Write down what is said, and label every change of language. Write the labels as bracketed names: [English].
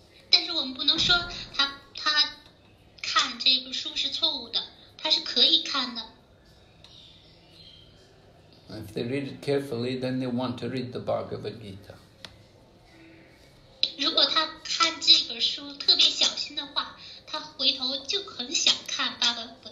[Chinese] 但是我们不能说他看这个书是错误的，他是可以看的。 [English] If they read it carefully, then they want to read the Bhagavad Gita. [Chinese] 如果他看这本书特别小心的话，他回头就很想看《巴巴》。